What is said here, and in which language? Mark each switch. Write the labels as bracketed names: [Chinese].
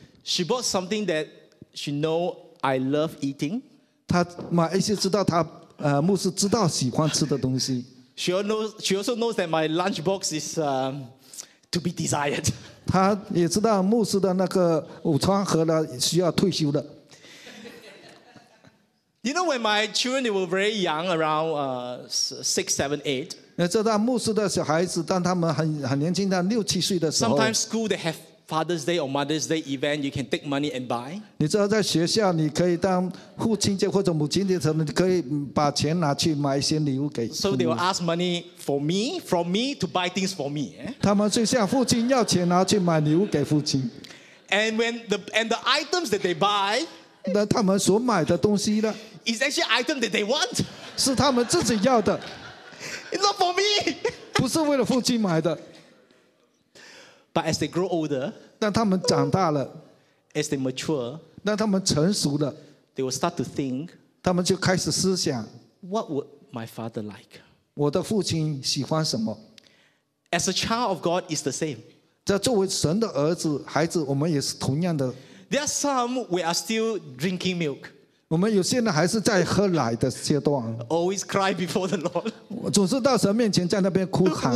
[English] She bought something that she know I love eating. [Chinese] 他买一些知道他牧师知道喜欢吃的东西。 [English] She also knows that my lunchbox is to be desired. [Chinese] 他也知道牧师的那个午餐盒呢需要退休了。 [English] You know when my children were very young, around 6, 7, 8. [Chinese] 你知道牧师的小孩子，当他们很年轻，他六七岁的时候。 [English] Sometimes school they have Father's Day or Mother's Day event, you can take money and buy. [Chinese] 你知道在学校，你可以当父亲节或者母亲节的时候，你可以把钱拿去买一些礼物给。 [English] So they will ask money for me, from me to buy things for me. [Chinese] 他们就向父亲要钱，拿去买礼物给父亲。 [English] And the items that they buy. [Chinese] 那他们所买的东西呢？ [English] It's actually item that they want. [Chinese] 是他们自己要的。 [English] It's not for me. [Chinese] 不是为了父亲买的。 [English] But as they grow older, [Chinese] 当他们长大了 [English] ，as they mature, [Chinese] 当他们成熟了 [English] ，they will start to think. [Chinese] 他们就开始思想 [English] ，What would my father like? [Chinese] 我的父亲喜欢什么 [English] ？As a child of God, it's the same. [Chinese] 在作为神的儿子、孩子，我们也是同样的。 [English] There are some we are still drinking milk. [Chinese] 我们有些人还是在喝奶的阶段。 [English] Always cry before the Lord. [Chinese] 我总是到神面前在那边哭喊。